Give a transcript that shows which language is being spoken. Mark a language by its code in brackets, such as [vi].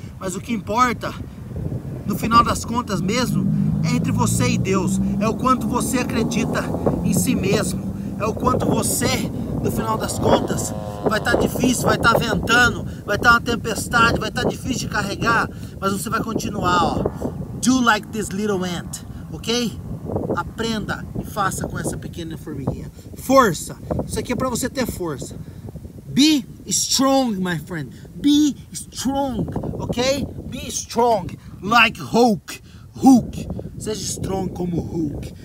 [pt] Mas o que importa, no final das contas mesmo, é entre você e Deus. É o quanto você acredita em si mesmo. É o quanto você, no final das contas, vai estar difícil, vai estar ventando, vai estar uma tempestade, vai estar difícil de carregar, mas você vai continuar, ó. [en] Do like this little ant, ok? [pt] Aprenda e faça com essa pequena formiguinha. Força! Isso aqui é para você ter força. [en] Be strong, my friend. Be strong, ok? Be strong, like Hulk. Hulk. [pt] Seja strong como Hulk.